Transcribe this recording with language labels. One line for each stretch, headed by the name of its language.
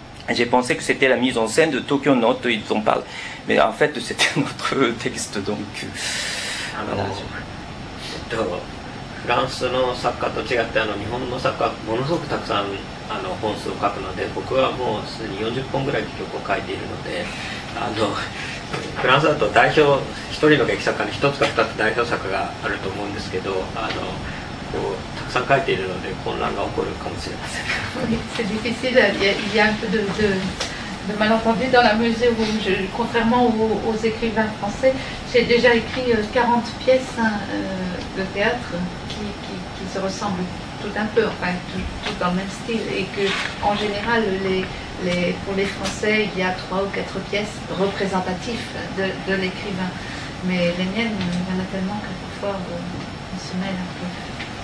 French: J'ai pensé que c'était la mise en scène de Tokyo Note, ils en parlent. Mais en fait, c'était notre texte, donc. Voilà.
Japanese: フランスの作家と違って日本の作家はものすごくたくさん本数を書くので、僕はもうすでに40本ぐらい曲を書いているので、フランスだと代表1人の劇作家に1つか2つ代表作があると思うんですけど、こうたくさん書いているので混乱が起こるかもしれません。
French: C'est difficile, il y a un peu de malentendu dans la mesure où je, contrairement aux écrivains français, j'ai déjà écrit 40 pièces de théâtre qui se ressemblent tout un peu, enfin tout dans le même style, et que en général pour les Français il y a 3 ou 4 pièces représentatives de l'écrivain, mais les miennes il y en a tellement que parfois on se mêle un peu.